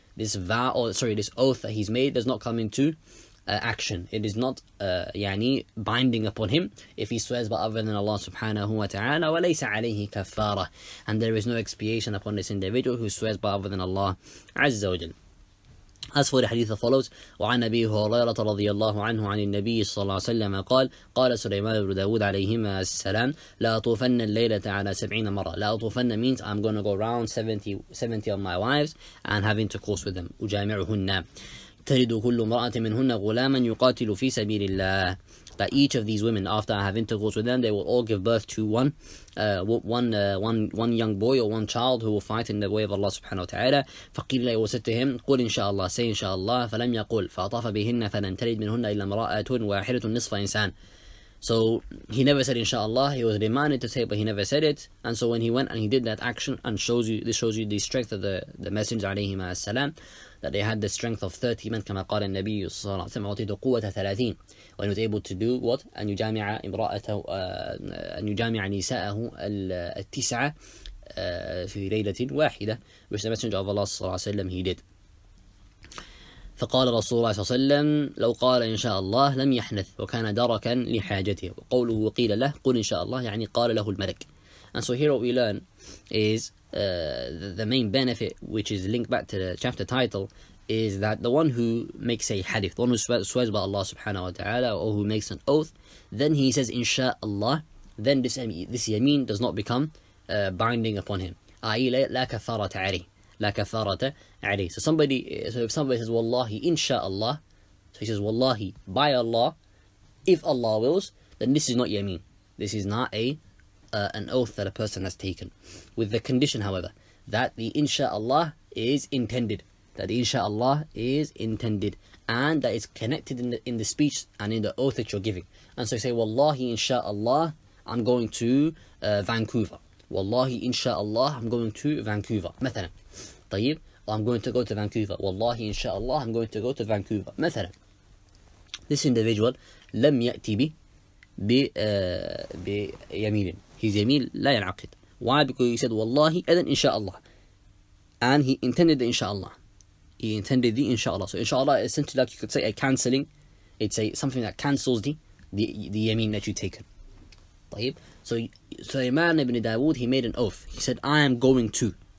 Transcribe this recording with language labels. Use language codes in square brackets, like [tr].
[en] This oath that he's made does not come into action. It is not binding upon him if he swears by other than Allah subhanahu wa ta'ala, [ar] وَلَيْسَ عَلَيْهِ كَفَّارَةً. [en] And there is no expiation upon this individual who swears by other than Allah عز وجل. As for the hadith follows, [ar] وعن أبي هريرة رضي الله عنه عن النبي صلى الله عليه وسلم قال قال سليمان بن داود عليهما السلام لا أطوفن الليلة على 70 مرة. لا أطوفن [en] means I'm going to go around 70 of my wives and have intercourse with them. [ar] أجامعهن تجد كل امرأة منهن غلاما يقاتل في سبيل الله. [en] That each of these women, after I have intercourse with them, they will all give birth to one young boy or one child who will fight in the way of Allah subhanahu wa ta'ala. [ar] فقيل له, [en] said to him, [ar] قل إن شاء الله, [en] say [ar] إن شاء الله, فلم يقول فأطاف بهن فلن تلد منهن إلا امرأة واحدة نصف إنسان. [en] So he never said inshallah, he was reminded to say, but he never said it. And so when he went and he did that action, and shows you the strength of the Messenger alayhi ma salam, that they had the strength of 30 men, [ar] كما قال النبي صلى الله عليه وسلم أعطيته قوة 30. [en] When he was able to do what? [ar] أن يجامع امرأته أن يجامع نساءه التسعة في ليلة واحدة, [en] which the Messenger of Allah [ar] صلى الله عليه وسلم [en] he did. [ar] فقال رسول الله صلى الله عليه وسلم لو قال إن شاء الله لم يحنث وكان دركا لحاجته. وقوله وقيل له قل إن شاء الله يعني قال له الملك. [en] And so here what we learn is the main benefit, which is linked back to the chapter title, is that the one who makes a hadith, the one who swears by Allah subhanahu wa ta'ala, or who makes an oath, then he says إن شاء الله, then this yameen does not become binding upon him. [ar] I.e. لا كفارة علي. لا كفارة علي. [en] So if somebody says wallahi inshaAllah, so he says wallahi by Allah, if Allah wills, then this is not yameen, this is not an oath that a person has taken, with the condition however that the inshaAllah is intended, that the inshaAllah is intended, and that it's connected in the speech and in the oath that you're giving. And so you say wallahi inshaAllah I'm going to Vancouver, wallahi inshaAllah I'm going to Vancouver [ar] مثلا. [en] طيب, I'm going to go to Vancouver. Wallahi, inshaAllah, I'm going to go to Vancouver. [ar] مثلا, [en] this individual, [ar] لم يأتي بيمين. [en] His [ar] يمين لا ينعقد. [en] Why? Because he said, Wallahi, [ar] أذن [en] inshaAllah. And he intended the inshaAllah. He intended the inshaAllah. So inshaAllah, essentially, like you could say, a cancelling. It's a something that cancels the yameen that you take. So Sulaiman ibn Dawood, he made an oath. He said, I am going to.